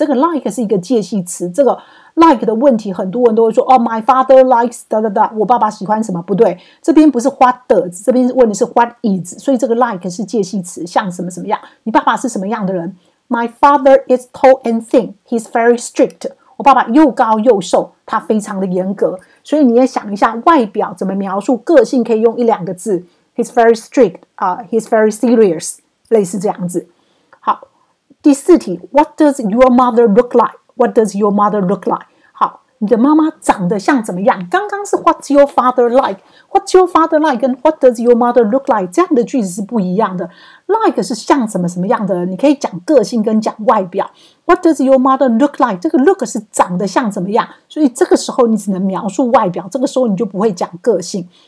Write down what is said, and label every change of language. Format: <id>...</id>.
<zh>这个 like 是一个介系词，这个 like 的问题很多人都会说，哦，</zh> <en>my father likes</en> <zh>哒哒哒，我爸爸喜欢什么？不对，这边不是</zh> <en>what does，</en> <zh>这边问的是</zh> <en>what is，</en> <zh>所以这个 like 是介系词，像什么什么样？你爸爸是什么样的人？</zh> <en>My father is tall and thin. He's very strict.</en> <zh>我爸爸又高又瘦，他非常的严格。所以你也想一下，外表怎么描述，个性可以用一两个字。</zh> <en>He's very strict. He's very serious.</en> <zh>类似这样子。</zh> <en>好，第四题， What does your mother look like? What does your mother look like?</en> <zh>好，你的妈妈长得像怎么样？刚刚是</zh> <en>What's your father like? What's your father like? 跟 What does your mother look like?</en> <zh>这样的句子是不一样的。Like 是像什么什么样的人，你可以讲个性跟讲外表。</zh> <en>What does your mother look like?</en> <zh>这个 look 是长得像怎么样，所以这个时候你只能描述外表，这个时候你就不会讲个性。</zh>